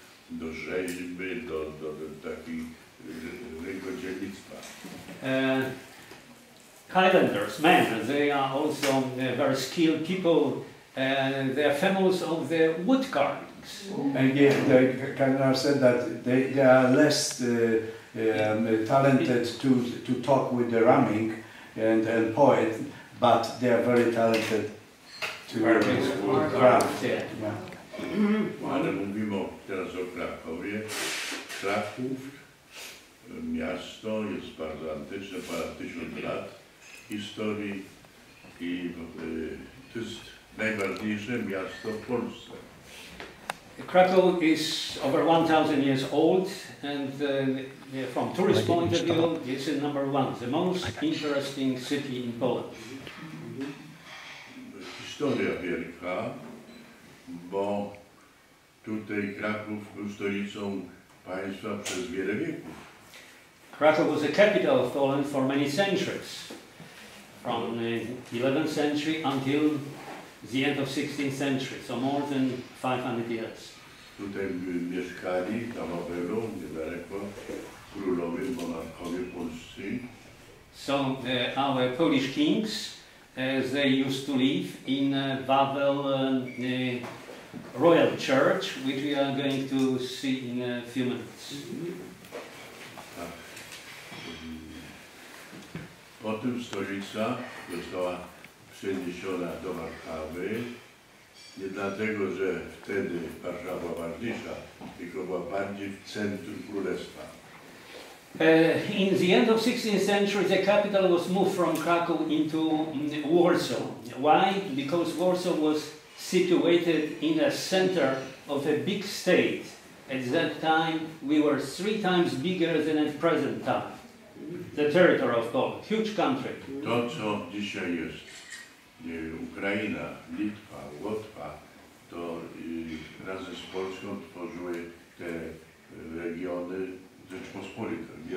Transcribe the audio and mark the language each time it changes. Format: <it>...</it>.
<pl>Do rzeźby, do takich rękodzielnictwa.</pl> <en>Highlanders, men, they are also very skilled people. They are famous of the wood carvings. And yeah, the Cardinal said that they are less talented to talk with the ramming and poet, but they are very talented to craft.</en> <pl>Ale mówimy teraz o Krakowie. Kraków, miasto jest bardzo antyczne, ponad 1000 lat historii i to jest najważniejsze miasto w Polsce.</pl> <en>Kraków is over 1000 years old and from tourist point of view it's the number one, the most interesting city in Poland.</en> <pl>Historia wielka, bo tutaj Kraków był stolicą państwa przez wiele wieków.</pl> <en>Kraków was the capital of Poland for many centuries. From the 11th century until the end of 16th century, so more than 500 years.</en> <pl>Tutaj mieszkali na Wawelu, niedaleko, królowie, monarchowie polscy.</pl> <en>So our Polish kings as they used to live in Babel Royal Church, which we are going to see in a few minutes.</en> <pl>Potem stolica została przeniesiona do Warszawy. Nie dlatego, że wtedy Warszawa była ważniejsza, tylko była bardziej w centrum królestwa.</pl> <en>In the end of 16th century, the capital was moved from Krakow into Warsaw. Why? Because Warsaw was situated in the center of a big state. At that time, we were three times bigger than at present time. The territory of Poland, huge country.</en> <pl>To, co dzisiaj jest Ukraina, Litwa, Łotwa, to razem z Polską tworzyły te regiony Rzeczpospolitej.</pl>